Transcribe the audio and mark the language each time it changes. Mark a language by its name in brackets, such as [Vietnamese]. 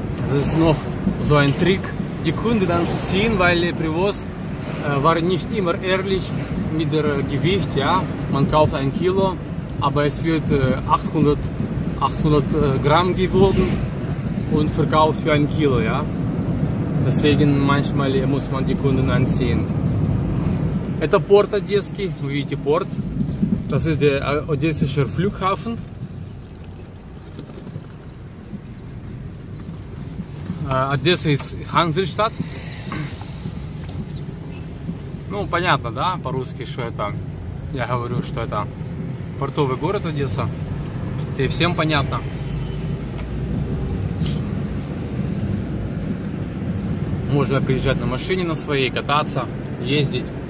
[German] Das ist noch so ein Trick, die Kunden anzuziehen, weil Privos war nicht immer ehrlich mit dem Gewicht, ja. Man kauft ein Kilo, aber es wird 800 Gramm gewogen und verkauft für ein Kilo, ja. Deswegen manchmal muss man die Kunden anziehen. [Russian] Это порт Одесский, вы видите порт, [German] das ist der Odessische Flughafen. Одесса ist Hansestadt. [Russian] Ну, понятно, да, по-русски, что это, я говорю, что это портовый город Одесса, это всем понятно. Можно приезжать на машине на своей, кататься, ездить.